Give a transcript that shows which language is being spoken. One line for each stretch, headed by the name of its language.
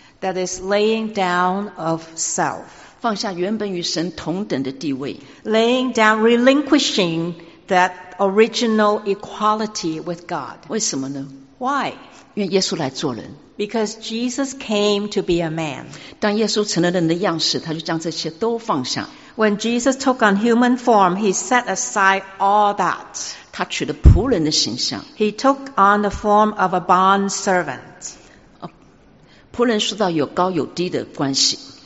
English: That is laying down of self.
Chinese: 放下原本与神同等的地位。
English: Laying down, relinquishing that original equality with God.
Chinese: 为什么呢？
English: Why?
Chinese: 因为耶稣来做人。
English: Because Jesus came to be a man.
Chinese: 当耶稣成了人的样式，他就将这些都放下。
English: When Jesus took on human form, he set aside all that.
Chinese: 他取了仆人的形象。
English: He took on the form of a bond servant.
Chinese: 仆人说到有高有低的关系。